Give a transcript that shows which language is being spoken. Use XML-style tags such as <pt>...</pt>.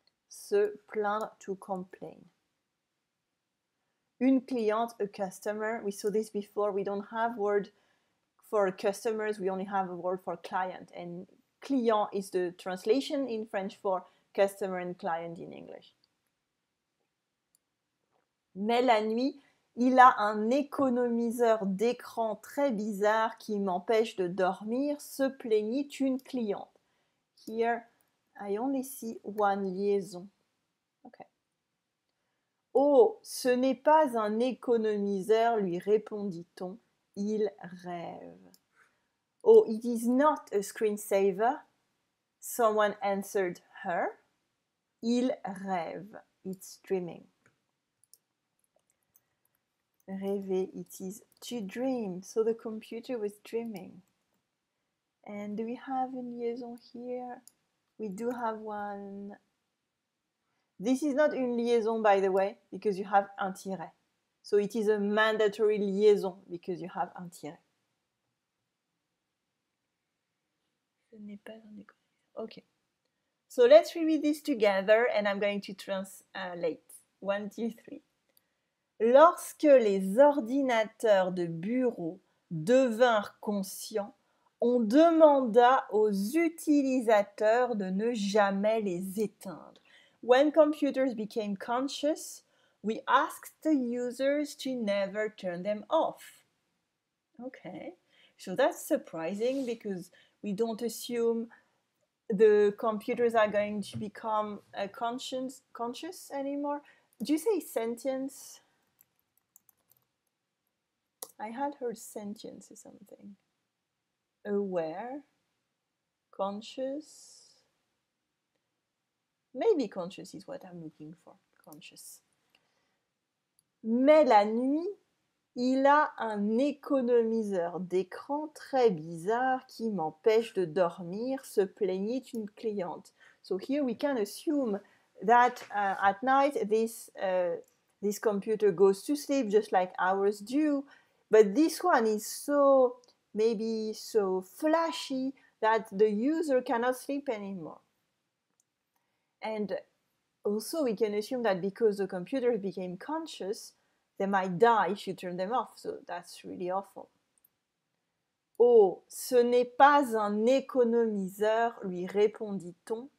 <fr>Se plaindre,</fr> <en>to complain.</en> <fr>Une cliente,</fr> <en>a customer. We saw this before. We don't have word for customers. We only have a word for client. And client is the translation in French for customer and client in English.</en> <fr>Mais la nuit, il a un économiseur d'écran très bizarre qui m'empêche de dormir, se plaignit une cliente.</fr> <en>Here, I only see one liaison. Okay.</en> <fr>Oh, ce n'est pas un économiseur, lui répondit-on. Il rêve.</fr> <en>Oh, it is not a screensaver, someone answered her.</en> <fr>Il rêve.</fr> <en>It's dreaming. Rêver, it is to dream. So the computer was dreaming. And do we have a liaison here? We do have one. This is not a liaison, by the way, because you have</en> <fr>un tiret.</fr> <en>So it is a mandatory liaison because you have</en> <fr>un tiret. Ce n'est pas un écran.</fr> <en>Okay. So let's reread this together and I'm going to translate. One, two, three.</en> <fr>Lorsque les ordinateurs de bureau devinrent conscients, on demanda aux utilisateurs de ne jamais les éteindre.</fr> <en>When computers became conscious, we asked the users to never turn them off. Okay, so that's surprising because we don't assume the computers are going to become conscious anymore. Do you say sentience? I had heard sentience is something. Aware, conscious. Maybe conscious is what I'm looking for. Conscious.</en> <fr>Mais la nuit, il a un économiseur d'écran très bizarre qui m'empêche de dormir, se plaignit une cliente.</fr> <en>So here we can assume that at night this computer goes to sleep just like ours do, but this one is so maybe so flashy that the user cannot sleep anymore. And also, we can assume that because the computer became conscious, they might die if you turn them off. So that's really awful.</en> <fr>Oh, ce n'est pas un économiseur, lui répondit-on.</fr>